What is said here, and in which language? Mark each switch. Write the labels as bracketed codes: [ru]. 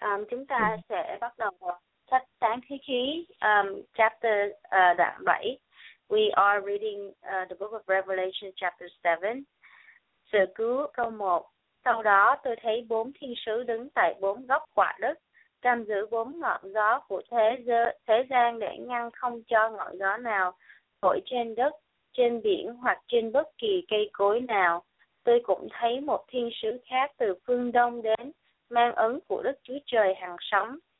[vi] Chúng ta sẽ bắt đầu sách Sáng Thế Ký, chapter 7. [en] We are reading the book of Revelation, chapter 7. [vi] Sự cứu câu 1. Sau đó, tôi thấy bốn thiên sứ đứng tại bốn góc quả đất, cầm giữ bốn ngọn gió của thế gian để ngăn không cho ngọn gió nào thổi trên đất, trên biển hoặc trên bất kỳ cây cối nào. Tôi cũng thấy một thiên sứ khác từ phương đông đến, mang ấn của Đức Chúa Trời hằng sống.